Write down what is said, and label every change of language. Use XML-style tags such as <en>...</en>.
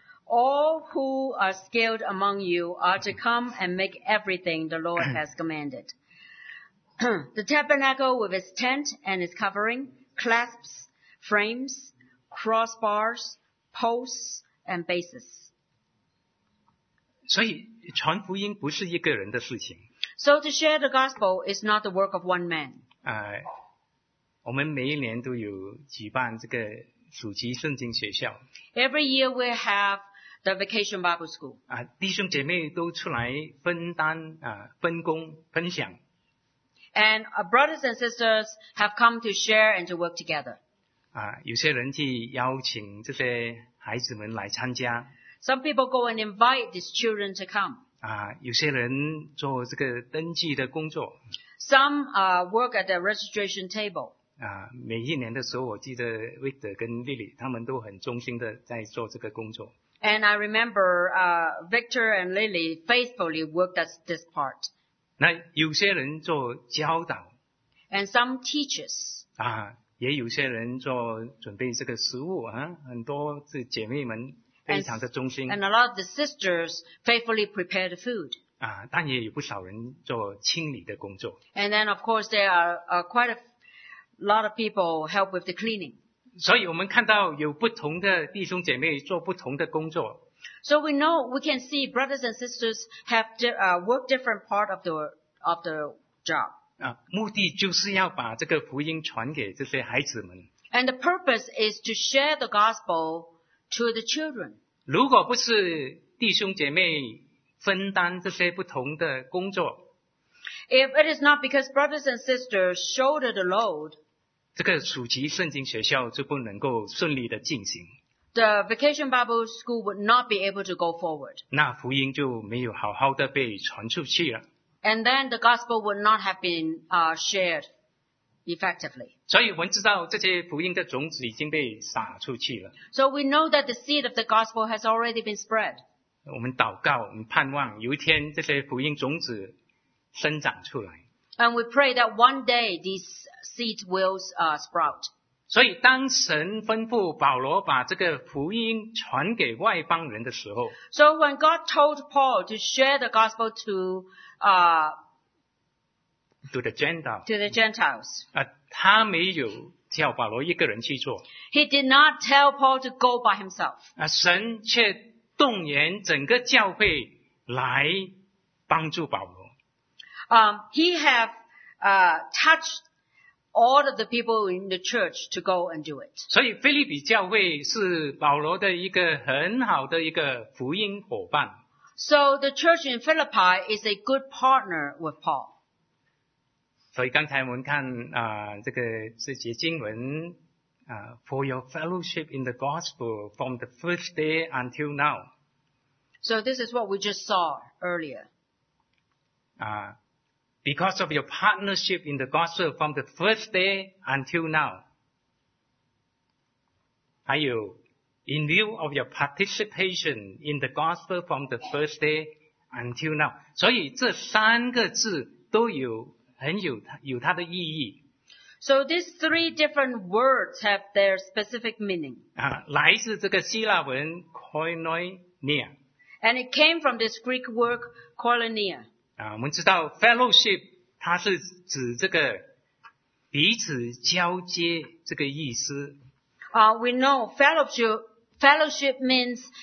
<en>All who are skilled among you are to come and make everything the Lord has commanded. The tabernacle with its tent and its covering, clasps, frames, crossbars, posts, and bases.</en> <zh>所以传福音不是一个人的事情。</zh> <en>So to share the gospel is not the work of one man.</en> <zh>我们每一年都有举办这个暑期圣经学校。</zh> <en>Every year we have the vacation Bible school.</en> <zh>弟兄姐妹都出来分担分工分享。</zh> <en>And brothers and sisters have come to share and to work together.</en> <zh>有些人去邀请这些孩子们来参加。</zh> <en>Some people go and invite these children to come.</en> <zh>有些人做这个登记的工作。</zh> <en>Some work at the registration table.</en> <zh>每一年的时候我记得 Victor 跟 Lily 他们都很忠心的在做这个工作。</zh> <en>And I remember, Victor and Lily faithfully worked at this part.</en> <zh>那有些人做教导。</zh> <en>And some teachers.</en> <zh>也有些人做准备这个食物很多是姐妹们非常的忠心。</zh> <en>And a lot of the sisters faithfully prepared food.</en> <zh>但也有不少人做清理的工作。</zh> <en>And then of course there are quite a lot of people help with the cleaning.</en> <zh>所以我们看到有不同的弟兄姐妹做不同的工作。</zh> <en>So we know we can see brothers and sisters have work different part of the job.</en> <zh>目的就是要把这个福音传给这些孩子们。</zh> <en>And the purpose is to share the gospel to the children.</en> <zh>如果不是弟兄姐妹分担这些不同的工作，</zh> <en>if it is not because brothers and sisters shoulder the load,</en> <zh>这个暑期圣经学校就不能够顺利的进行。</zh> <en>The vacation Bible school would not be able to go forward.</en> <zh>那福音就没有好好的被传出去了。</zh> <en>And then the gospel would not have been shared effectively.</en> <zh>所以我们知道这些福音的种子已经被撒出去了。</zh> <en>So we know that the seed of the gospel has already been spread.</en> <zh>我们祷告，我们盼望有一天这些福音种子生长出来。</zh> <en>And we pray that one day these seeds will sprout.</en> <zh>所以当神吩咐保罗把这个福音传给外邦人的时候，</zh> <en>So when God told Paul to share the gospel to the Gentiles.</en> <zh>他没有叫保罗一个人去做。</zh> <en>He did not tell Paul to go by himself.</en> <zh>神却动员整个教会来帮助保罗。</zh> <en>He have touched all of the people in the church to go and do it.</en> <zh>所以腓立比教会是保罗的一个很好的一个福音伙伴。</zh> <en>So the church in Philippi is a good partner with Paul.</en> <zh>所以刚才我们看这个这节经文</zh> <en>for your fellowship in the gospel from the first day until now. So this is what we just saw earlier. Because of your partnership in the gospel from the first day until now.</en> <zh>还有</zh> <en>In view of your participation in the gospel from the first day until now.</en> <zh>所以这三个字都有很有有它的意义。</zh> <en>So these three different words have their specific meaning.</en> <zh>来自这个希腊文 koinonia.</zh> <en>And it came from this Greek word koinonia.</en> <zh>我们知道 fellowship 它是指这个彼此交接这个意思。</zh> <en>We know fellowship means</en>